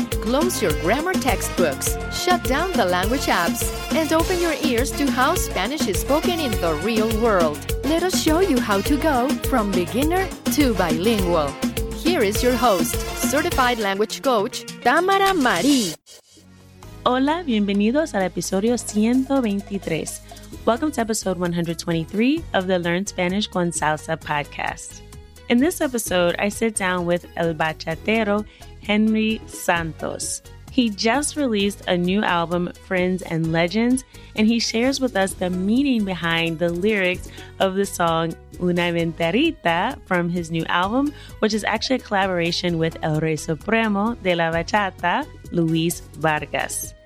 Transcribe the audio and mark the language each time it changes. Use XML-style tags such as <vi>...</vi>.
<en>Close your grammar textbooks, shut down the language apps, and open your ears to how Spanish is spoken in the real world. Let us show you how to go from beginner to bilingual. Here is your host, certified language coach, Tamara Marie.</en> <es>Hola, bienvenidos al episodio 123.</es> <en>Welcome to episode 123 of the Learn Spanish con Salsa podcast. In this episode, I sit down with el bachatero Henry Santos. He just released a new album, Friends and Legends, and he shares with us the meaning behind the lyrics of the song Una Venterita from his new album, which is actually a collaboration with El Rey Supremo de la Bachata, Luis Vargas.</en>